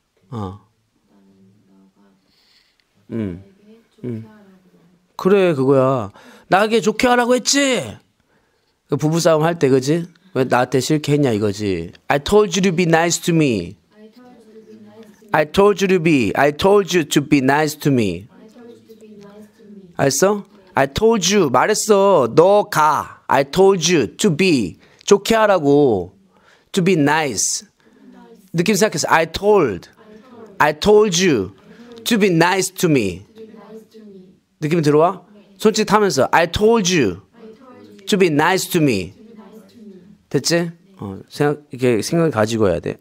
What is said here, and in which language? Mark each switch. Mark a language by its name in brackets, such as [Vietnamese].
[Korean] 어. 그래 그거야. 나에게 좋게 하라고 했지. 그 부부 싸움 할 때 그지? 왜 나한테 싫게 했냐 이거지. [English] I told you to be nice to me. I told you to be. I told you to be nice to me. [Korean] 알았어? [English] I told you [Korean] 말했어. 너 가. [English] I told you to be [Korean] 좋게 하라고. [English] To be nice. [Korean] 느낌 생각했어. [English] I told. I told you to be nice to me. [Korean] 느낌 들어와? 손짓 하면서 [English] I told you to be nice to me. [Korean] 됐지? 어, 생각 이게 생각을 가지고 해야 돼.